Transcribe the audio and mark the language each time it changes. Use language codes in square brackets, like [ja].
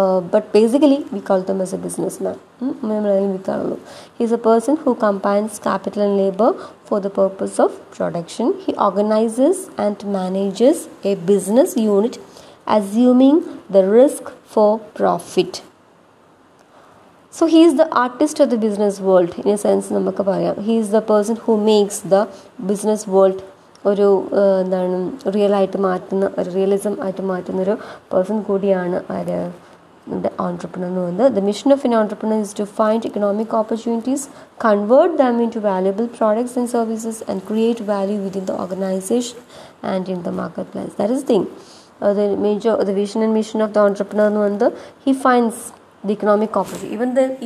[en] But basically we call them as a businessman. He is a person who combines capital and labor for the purpose of production. He organizes and manages a business unit assuming the risk for profit. So he is the artist of the business world, in a sense [ml] namukku parayam. [en] He is the person who makes the business world [ml] ഒരു എന്താണ് real ആയിട്ട് മാറ്റുന്ന, ഒരു realism ആയിട്ട് മാറ്റുന്ന ഒരു person കൂടിയാണ് ആര്, the entrepreneur. [en] The mission of an entrepreneur is to find economic opportunities, convert them into valuable products and services, and create value within the organization and in the marketplace. That is the thing. The vision and mission of the entrepreneur, he finds the economic opportunity.